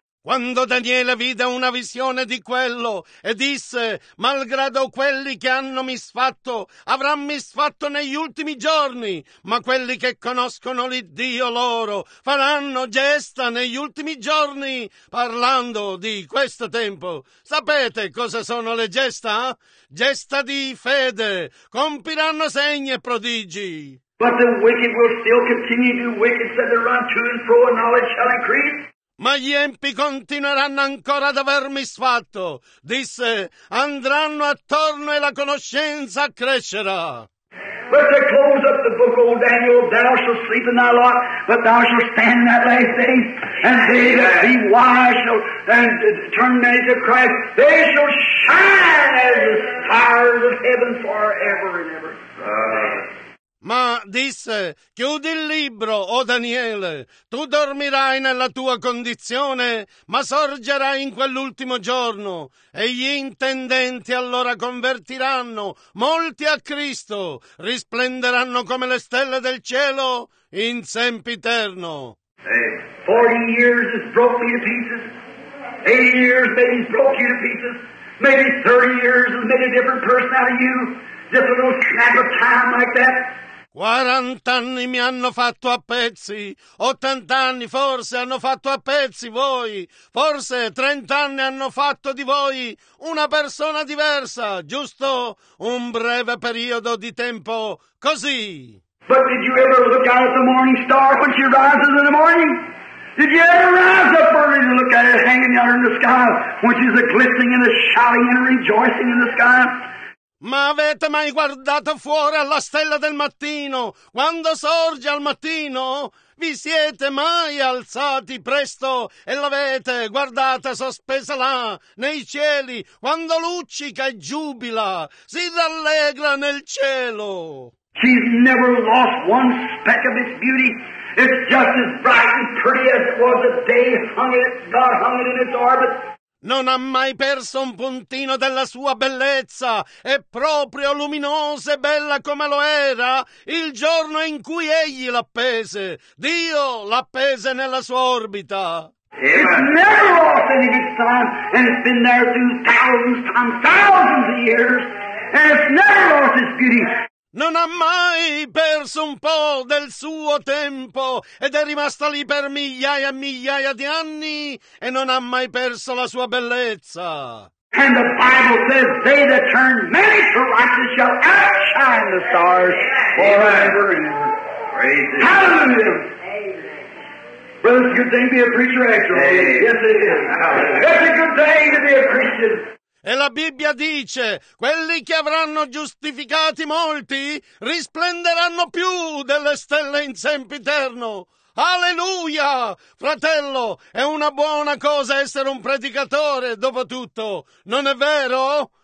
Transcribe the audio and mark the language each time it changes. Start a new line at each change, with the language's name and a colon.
Italian: Quando Daniele vide una visione di quello e disse, malgrado quelli che hanno misfatto, avranno misfatto negli ultimi giorni, ma quelli che conoscono l'Iddio loro faranno gesta negli ultimi giorni, parlando di questo tempo. Sapete cosa sono le gesta? Gesta di fede, compiranno segni e prodigi.
English: But the wicked will still continue to do wicked, said they run to and fro, and knowledge shall increase.
Italian: Ma gli empi continueranno ancora ad avermi sfatto, disse, andranno attorno e la conoscenza crescerà.
English: But they close up the book, O Daniel, thou shalt sleep in thy lot, but thou shalt stand in that last day, and they that be wise shall turn many to Christ, they shall shine as the stars of heaven forever and ever.
Italian: Ma disse, chiudi il libro, o Daniele, tu dormirai nella tua condizione, ma sorgerai in quell'ultimo giorno, e gli intendenti allora convertiranno molti a Cristo, risplenderanno come le stelle del cielo in sempiterno.
English: 40 years has broke me to pieces, 80 years maybe broke you to pieces, maybe 30 years has made a different person out of you, just a little snap of time like that.
Italian: 40 anni mi hanno fatto a pezzi, 80 anni forse hanno fatto a pezzi voi, forse 30 anni hanno fatto di voi una persona diversa, giusto un breve periodo di tempo così.
English: But did you ever look out at the morning star when she rises in the morning? Did you ever rise up early to look at it hanging yonder in the sky when she's a glistening and a shouting and a rejoicing in the sky?
Italian: Ma avete mai guardato fuori alla stella del mattino? Quando sorge al mattino? Vi siete mai alzati presto e l'avete guardata sospesa là, nei cieli, quando luccica e giubila, si rallegra nel cielo?
English: She's never lost one speck of its beauty. It's just as bright and pretty as it was the day God hung it in its orbit.
Italian: Non ha mai perso un puntino della sua bellezza, è proprio luminosa e bella come lo era il giorno in cui egli l'appese. Dio l'appese nella sua orbita.
English: It's never lost any of its time, and it's been there through thousands and thousands of years, and it's never lost its beauty.
Italian: Non ha mai perso un po' del suo tempo ed è rimasta lì per migliaia e migliaia di anni e non ha mai perso la sua bellezza.
English: And the Bible says, they that turn many to righteousness shall outshine the stars forever and ever. Praise the Lord. Hallelujah. Brother, it's a good thing to be a preacher, actually. Amen. Yes, it is. Amen. It's a good thing to be a Christian.
Italian: E la Bibbia dice: quelli che avranno giustificati molti risplenderanno più delle stelle in sempiterno. Alleluia! Fratello, è una buona cosa essere un predicatore, dopo tutto, non è vero?